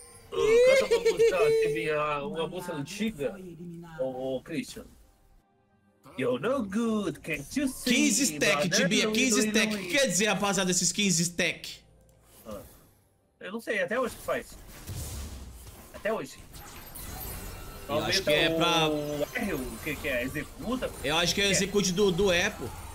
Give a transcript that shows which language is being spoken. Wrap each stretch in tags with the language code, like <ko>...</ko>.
<pt>Canta uma música, Tibia, uma música antiga, Christian.</pt> <en>You're no good, can't you see?</en> <pt>15 stack, Tibia, 15 stack. O que quer dizer, rapaziada, esses 15 stack? Eu não sei, até hoje que faz. Até hoje. Eu acho que é pra... O que é? Executa? Eu acho que é execute do Apple.</pt>